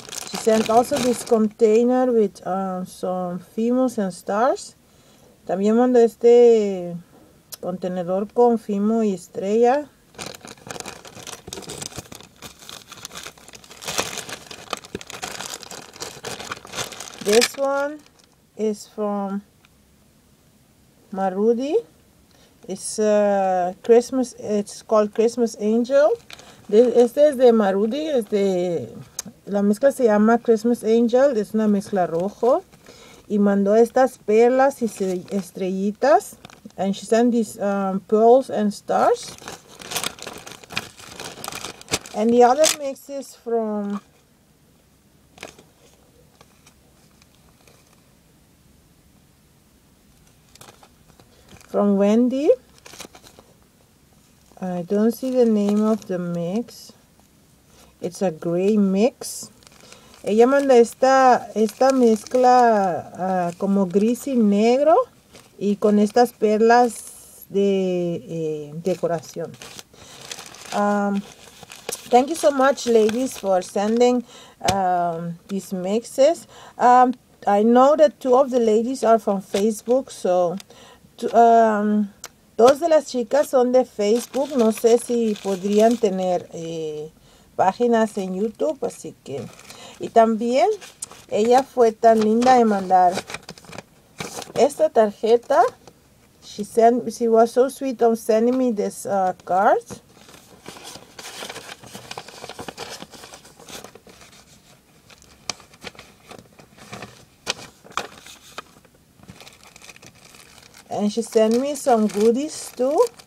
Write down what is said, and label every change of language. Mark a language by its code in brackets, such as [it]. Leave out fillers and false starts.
[en] She sent also this container with some Femos and stars. [es] También mando este contenedor con Femo y estrella. [en] This one is from Marudi. It's Christmas. It's called Christmas Angel. [es] Este es de Marudi. Es de la mezcla, se llama Christmas Angel. Es una mezcla rojo. Y mandó estas perlas y estrellitas. [en] And she sent these pearls and stars. And the other mix is from Wendy. I don't see the name of the mix. It's a gray mix. [es] Ella manda esta mezcla como gris y negro y con estas perlas de decoración. [en] Thank you so much, ladies, for sending these mixes. I know that two of the ladies are from Facebook, so [es] dos de las chicas son de Facebook. No sé si podrían tener páginas en YouTube, así que. Y también ella fue tan linda de mandar esta tarjeta. [en] She was so sweet on sending me this card. And she sent me some goodies too.